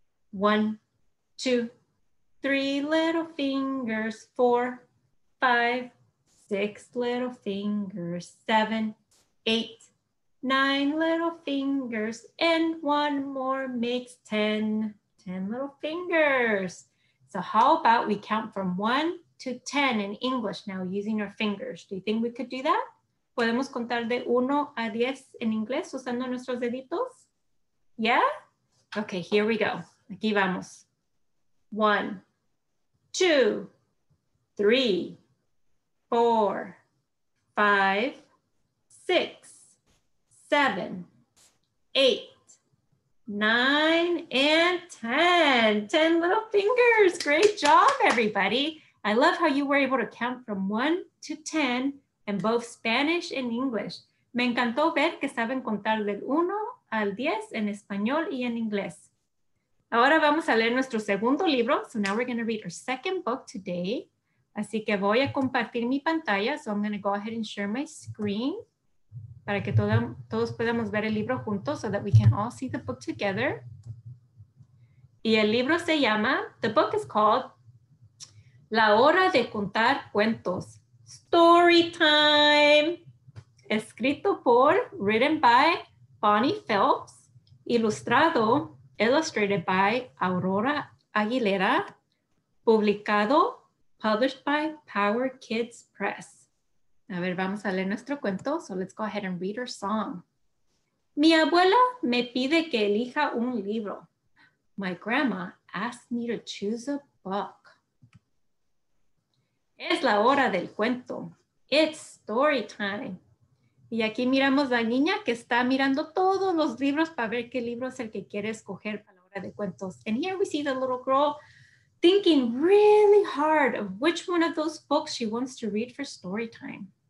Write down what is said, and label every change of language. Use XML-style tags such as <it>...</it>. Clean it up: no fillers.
<en>1, 2, 3 little fingers, 4, 5, 6 little fingers, 7, 8, 9 little fingers, and 1 more makes 10. 10 little fingers. So how about we count from 1 to 10 in English now using our fingers? Do you think we could do that?</en> <es>¿Podemos contar de 1 a 10 en inglés usando nuestros deditos?</es> <en>Yeah? Okay, here we go.</en> <es>Aquí vamos.</es> <en>1, 2, 3, 4, 5, 6, 7, 8, 9, and 10. 10 little fingers. Great job, everybody. I love how you were able to count from 1 to 10 in both Spanish and English.</en> <es>Me encantó ver que saben contar del 1 al 10 en español y en inglés. Ahora vamos a leer nuestro segundo libro.</es> <en>So now we're going to read our second book today.</en> <es>Así que voy a compartir mi pantalla.</es> <en>So I'm going to go ahead and share my screen</en> <es>para que todos podamos ver el libro juntos</es> <en>so that we can all see the book together.</en> <es>Y el libro se llama,</es> <en>the book is called</en> <es>La Hora de Contar Cuentos, Storytime. Escrito por,</es> <en>written by</en> <es>Bonnie Phelps, ilustrado, illustrated by Aurora Aguilera, publicado, published by Power Kids Press. A ver, vamos a leer nuestro cuento.</es> <en>So let's go ahead and read our song.</en> <es>Mi abuela me pide que elija un libro.</es> <en>My grandma asked me to choose a book.</en> <es>Es la hora del cuento.</es> <en>It's story time.</en> <es>Y aquí miramos a la niña que está mirando todos los libros para ver qué libro es el que quiere escoger para la hora de cuentos.</es> <en>And here we see the little girl thinking really hard of which one of those books she wants to read for story time.</en>